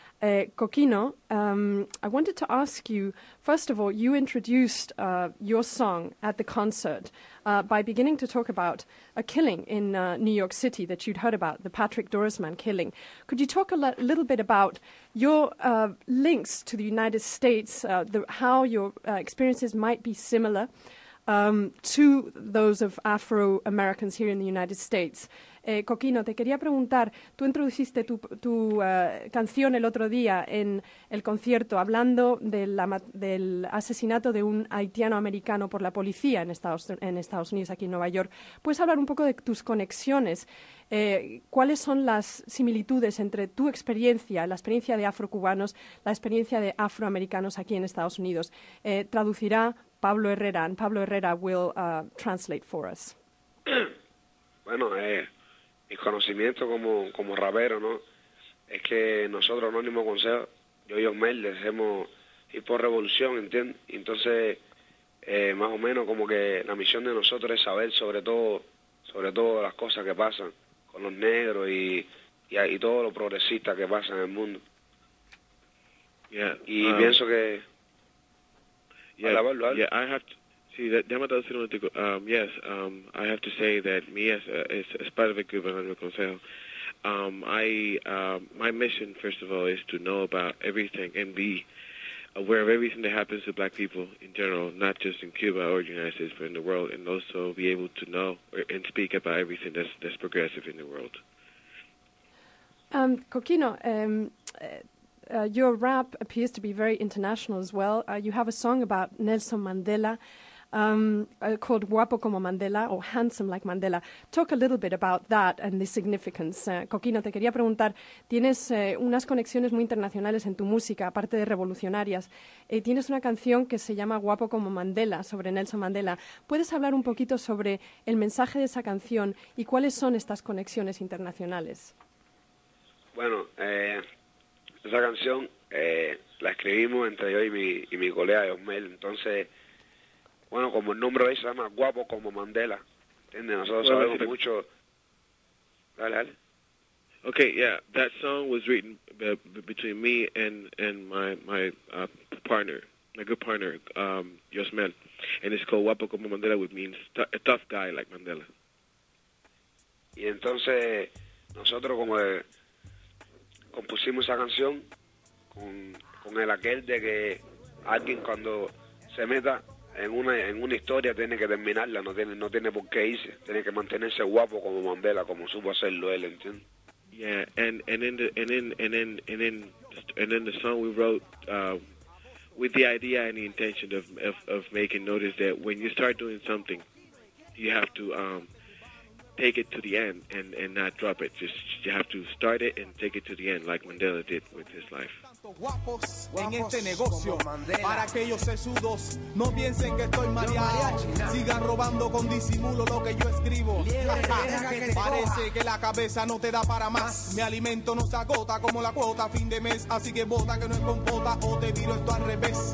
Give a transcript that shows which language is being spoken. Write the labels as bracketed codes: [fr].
[en] Coquino, I wanted to ask you, first of all, you introduced your song at the concert by beginning to talk about a killing in New York City that you'd heard about, the Patrick Dorisman killing. Could you talk a little bit about your links to the United States, how your experiences might be similar to those of Afro-Americans here in the United States? [es] Coquino, te quería preguntar, tú introduciste tu canción el otro día en el concierto hablando del asesinato de un haitiano americano por la policía en Estados Unidos, aquí en Nueva York. ¿Puedes hablar un poco de tus conexiones? ¿Cuáles son las similitudes entre tu experiencia, la experiencia de afrocubanos, la experiencia de afroamericanos aquí en Estados Unidos? Traducirá Pablo Herrera, [en] and Pablo Herrera will translate for us. [es] Bueno, mi conocimiento como rapero, ¿no? Es que nosotros, Anónimo Consejo, yo y Osmel, hacemos hip hop revolución, ¿entiendes? Entonces, más o menos como que la misión de nosotros es saber sobre todo las cosas que pasan con los negros y todos los progresistas que pasan en el mundo. [en] Yeah, [es] y pienso que... [en] Yeah, I have to say that me as part of the Cuban Anónimo Consejo, my mission first of all is to know about everything and be aware of everything that happens to black people in general, not just in Cuba or the United States, but in the world, and also be able to know and speak about everything that's progressive in the world. Coquino, your rap appears to be very international as well. You have a song about Nelson Mandela called Guapo Como Mandela, or Handsome Like Mandela. Talk a little bit about that and the significance. [es] Coquino, te quería preguntar, tienes unas conexiones muy internacionales en tu música, aparte de revolucionarias. Tienes una canción que se llama Guapo Como Mandela, sobre Nelson Mandela. ¿Puedes hablar un poquito sobre el mensaje de esa canción y cuáles son estas conexiones internacionales? Bueno, esa canción la escribimos entre yo y mi colega Osmel. Entonces, bueno, como el nombre de ella se llama Guapo Como Mandela, ¿entiendes? Nosotros sabemos mucho. Dale. [en] Okay, yeah, that song was written between me and my partner, my good partner, Osmel, and it's called Guapo Como Mandela, which means a tough guy like Mandela. [es] Y entonces nosotros como compusimos esa canción con el aquel de que alguien cuando se meta en una historia tiene que terminarla, no tiene por qué irse, tiene que mantenerse guapo como Mandela, como supo hacerlo él, ¿entiendes? [en] Yeah, and in the song we wrote with the idea and the intention of making notice that when you start doing something you have to take it to the end and not drop it. Just you have to start it and take it to the end, like Mandela did with his life. [es] Guapos en este negocio, para que ellos sesudos no piensen que estoy mareado. Sigan robando con disimulo lo que yo escribo. Parece que la cabeza no te da para más. Mi alimento no se agota como la cuota fin de mes. Así que bota que no es compota o te viro esto al revés.